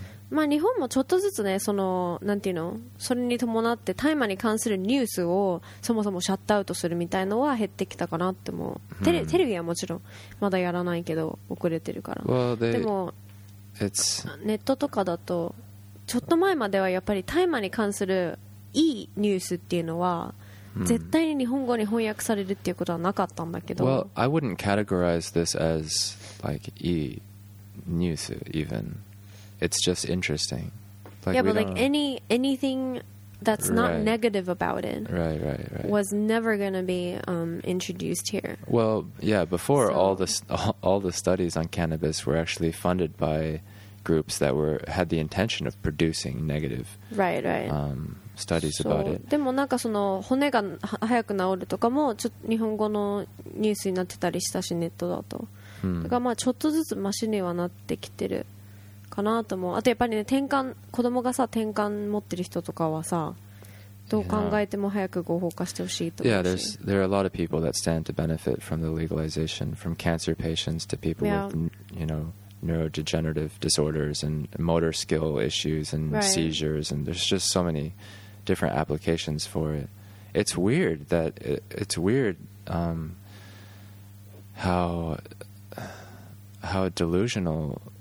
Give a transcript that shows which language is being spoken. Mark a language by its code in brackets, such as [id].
[ja] まあ、日本もちょっとずつね、その、なんていうの、それに伴って大麻に関するニュースをそもそもシャットアウトするみたいのは減ってきたかなって思う。テレビはもちろんまだやらないけど遅れてるから。でもネットとかだとちょっと前まではやっぱり大麻に関するいいニュースっていうのは絶対に日本語に翻訳されるっていうことはなかったんだけど。 [en] Well, I wouldn't categorize this as like [ja] いいニュース [en] even. It's just interesting. Like, yeah, but like anything that's not negative about it was never going to be introduced here. Well, yeah, before all the studies on cannabis were actually funded by groups that had the intention of producing negative studies about it. [ja] でもなんかその骨が早く治るとかもちょっと日本語のニュースになってたりしたしネットだと。だからまあちょっとずつマシにはなってきてる。かなと思う。あとやっぱりね、転換、子供がさ、転換持ってる人とかはさ、どう考えても早く合法化してほしいと思うし。 [en] Yeah, there are a lot of people that stand to benefit from the legalization, from cancer patients to people with, you know, neurodegenerative disorders and motor skill issues and seizures, and there's just so many different applications for it. It's weird that, it's weird how delusional...